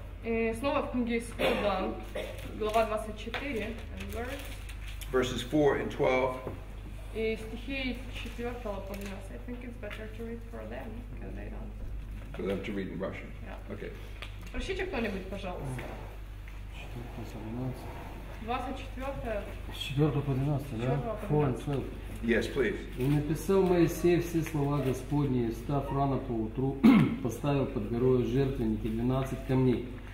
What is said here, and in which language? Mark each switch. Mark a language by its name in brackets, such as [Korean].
[Russian] И снова в книге Исхода, глава 24, [English] verses 4 and 12. [Russian] И стихи 4 по 12. [English] I think it's better to read for them, because they don't. For them to read in Russian. Yeah. Okay. [Russian] Прочтите кто-нибудь, пожалуйста. 4 по 12. 24. 4 по 12, да? 4 по 12. [English] Yes, please. [Russian] И написал Моисей все слова Господни, и встав рано поутру, поставил под горою жертвенники 12 камней.